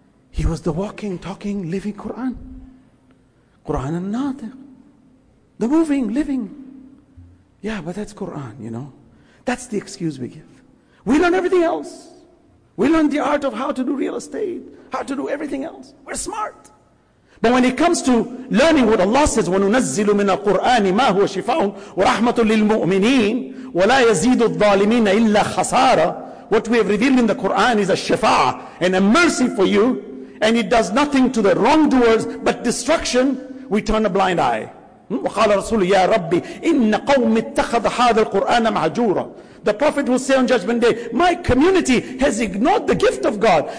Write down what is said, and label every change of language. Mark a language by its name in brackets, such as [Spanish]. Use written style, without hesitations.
[English] He was the walking, talking, living Quran. Quran and Nath. The moving, living. Yeah, but that's Quran, you know. That's the excuse we give. We learn everything else. We learn the art of how to do real estate, how to do everything else. We're smart. But when it comes to learning what Allah says, [Arabic] وَنُنَزِّلُ مِنَ الْقُرْآنِ مَا هُوَ شِفَاءٌ وَرَحْمَةٌ لِلْمُؤْمِنِينَ وَلَا يَزِيدُ الظَّالِمِينَ إِلَّا خَسَارًا. [English] What we have revealed in the Quran is a shifa'a and a mercy for you, and it does nothing to the wrongdoers but destruction. We turn a blind eye. [Arabic] وَقَالَ رَسُولُ يَا رَبِّ إِنَّ قَوْمِ اتَّخَذَ هَذَا الْقُرْآنَ مَهْجُورًا. [English] The Prophet will say on Judgment Day, my community has ignored the gift of God.